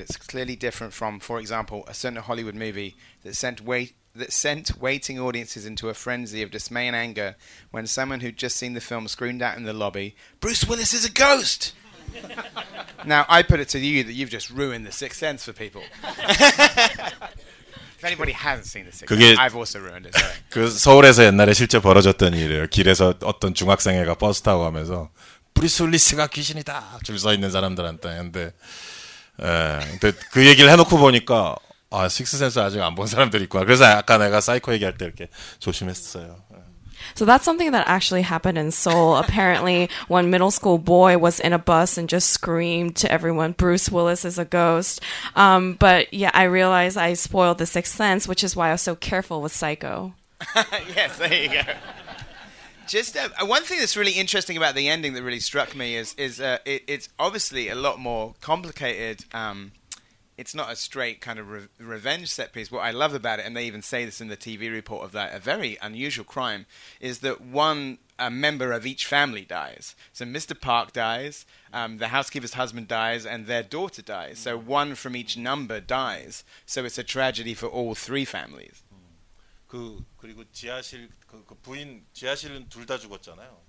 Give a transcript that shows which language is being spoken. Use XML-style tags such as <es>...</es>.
<en>It's clearly different from, for example, a certain Hollywood movie that sent waiting audiences into a frenzy of dismay and anger when someone who'd just seen the film screamed out in the lobby, "Bruce Willis is a ghost!" Now, I put it to you that you've just ruined The Sixth Sense for people. If anybody hasn't seen The Sixth Sense, I've also ruined it.</en> <ko>그 서울에서 옛날에 실제 벌어졌던 일이에요. 길에서 어떤 중학생 애가 버스 타고 가면서 브루스 윌리스가 귀신이다! 줄 서 있는 사람들한테. 근데 그 얘기를 해놓고 보니까 아, 식스센스 아직 안 본 사람들 있구나. 그래서 아까 내가 사이코 얘기할 때 이렇게 조심했어요.</ko> <en>So that's something that actually happened in Seoul. Apparently, one middle school boy was in a bus and just screamed to everyone, "Bruce Willis is a ghost." But yeah, I realized I spoiled The Sixth Sense, which is why I was so careful with Psycho. Yes, there you go. Just one thing that's really interesting about the ending that really struck me is it's obviously a lot more complicated. It's not a straight kind of revenge set piece. What I love about it, and they even say this in the TV report of that, a very unusual crime, is that a member of each family dies. So Mr. Park dies, the housekeeper's husband dies, and their daughter dies. So one from each number dies. So it's a tragedy for all three families.</en> <ko>그리고 지하실, 그 부인, 지하실은 둘 다 죽었잖아요.</ko>